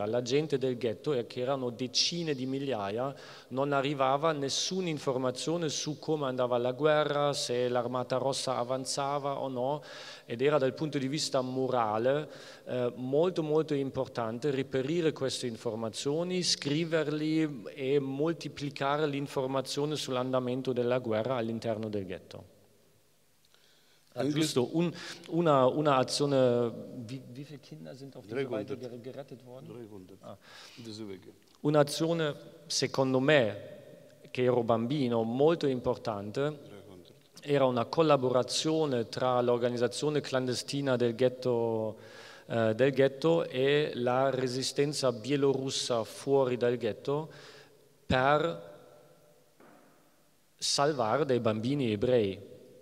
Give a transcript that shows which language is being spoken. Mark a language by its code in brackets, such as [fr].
[it] Alla gente del ghetto, che erano decine di migliaia, non arrivava nessuna informazione su come andava la guerra, se l'Armata Rossa avanzava o no, ed era dal punto di vista morale molto molto importante reperire queste informazioni, scriverle e moltiplicare l'informazione sull'andamento della guerra all'interno del ghetto. Giusto, una azione. [de] Wie viele Kinder sind auf diese Weide gerettet worden? 300. Diese Wege. [it] Un'azione, secondo me, che ero bambino, molto importante, era una collaborazione tra l'organizzazione clandestina del ghetto e la resistenza bielorussa fuori dal ghetto per salvare dei bambini ebrei.